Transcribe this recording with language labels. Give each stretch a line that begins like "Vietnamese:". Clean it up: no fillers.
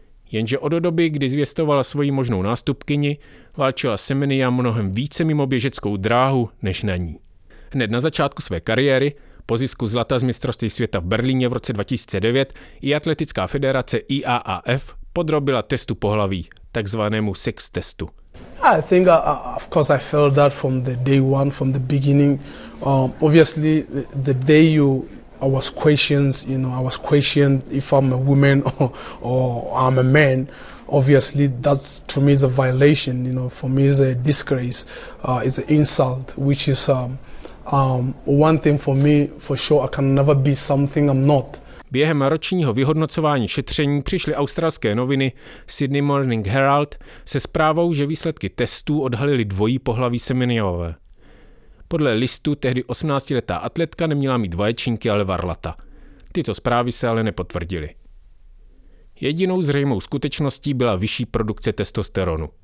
Czech: Jenže od doby, kdy zvěstovala svoji možnou nástupkyni, válčila Semenya mnohem více mimo běžeckou dráhu než na ní. Hned na začátku své kariéry, po zisku zlata z mistrovství světa v Berlíně v roce 2009, i atletická federace IAAF podrobila testu pohlaví, takzvanému sex testu.
English: I think of course I felt that from the day one, from the beginning. Obviously the day you I was questioned if I'm a woman or I'm a man. Obviously, that's to me is a violation. You know, for me is a disgrace. It's an insult, which is one thing for me for sure. I can never be something I'm not.
Czech: Během ročního vyhodnocování šetření přišly australské noviny Sydney Morning Herald se zprávou, že výsledky testů odhalily dvojí pohlaví Semenyové. Podle listu tehdy 18-letá atletka neměla mít vaječinky, ale varlata. Tyto zprávy se ale nepotvrdily. Jedinou zřejmou skutečností byla vyšší produkce testosteronu.